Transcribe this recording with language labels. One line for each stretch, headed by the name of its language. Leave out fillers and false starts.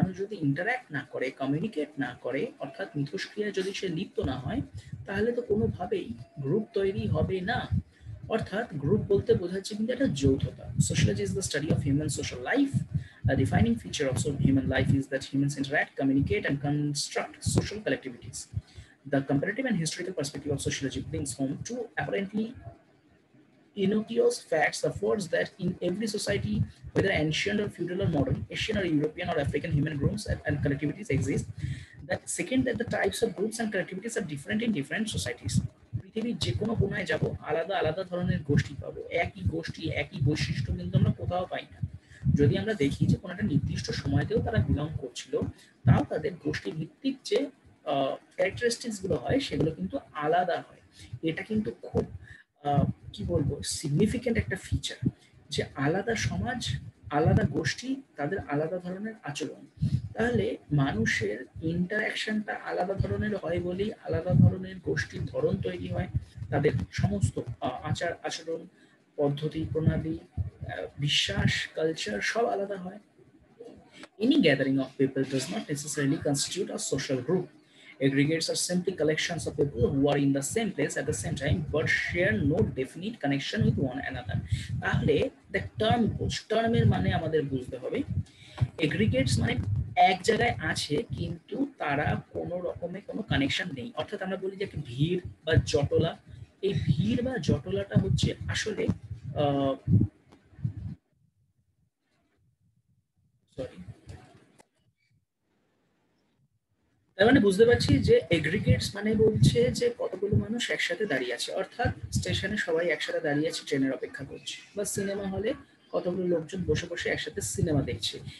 Bangla: মানুষ যদি ইন্টারাক্ট না করে, কমিউনিকেট না করে, অর্থাৎ মিথস্ক্রিয়ায় যদি সে লিপ্ত না হয়, তাহলে তো কোনোভাবেই গ্রুপ তৈরি হবে না। অর্থাৎ গ্রুপ বলতে বোঝাচ্ছে কিন্তু একটা যৌথতা।
English: Sociology is the study of human social life. A defining feature of human life is that humans interact, communicate and construct social collectivities. The comparative and historical perspective of sociology brings home to apparently innocuous facts, the force that in every society, whether ancient or feudal or modern, Asian or European or African human groups and collectivities exist. That second, that the types of groups and collectivities are different in different societies.
Bangla: পৃথিবীর যে কোনো কোনায় যাবো আলাদা আলাদা ধরনের গোষ্ঠী পাবো, একই গোষ্ঠী একই বৈশিষ্ট্য কিন্তু আমরা কোথাও পাই না। যদি আমরা দেখি যে কোনো একটা নির্দিষ্ট সময়তেও তারা বিলং করছিল, তাও তাদের গোষ্ঠী ভিত্তিক যে ক্যারেক্টারিস্টিকসগুলো হয় সেগুলো কিন্তু আলাদা হয়। এটা কিন্তু খুব কি বলবো সিগনিফিকেন্ট একটা ফিচার যে আলাদা সমাজ, আলাদা গোষ্ঠী, তাদের আলাদা ধরনের আচরণ। তাহলে মানুষের ইন্টারাকশনটা আলাদা ধরনের হয় বলেই আলাদা ধরনের গোষ্ঠীর ধরন তৈরি হয়, তাদের সমস্ত আচার আচরণ, পদ্ধতি প্রণালী, বিশ্বাস, কালচার সব আলাদা হয়।
English: Any gathering of people does not necessarily constitute a social group. Aggregates are simply collections of people who are in the same place at the same time but share no definite connection with one another.
Bangla: তাহলে the term বলছি, টার্মের মানে আমাদের বুঝতে হবে। Aggregates মানে এক জায়গায় আছে কিন্তু তারা কোনো রকমের কোনো কানেকশন নেই। অর্থাৎ আমরা বলি যে একটা ভিড় বা জটলা, এই ভিড় বা জটলাটা হচ্ছে আসলে তার মানে বুঝতে পারছি যে এগ্রিগেটস মানে বলছে যে কতগুলো মানুষ একসাথে দাঁড়িয়ে আছে, অর্থাৎ স্টেশনে সবাই একসাথে দাঁড়িয়ে আছে ট্রেনের অপেক্ষা করছে, বা সিনেমা হলে কতগুলো লোকজন বসে বসে একসাথে সিনেমা দেখছে।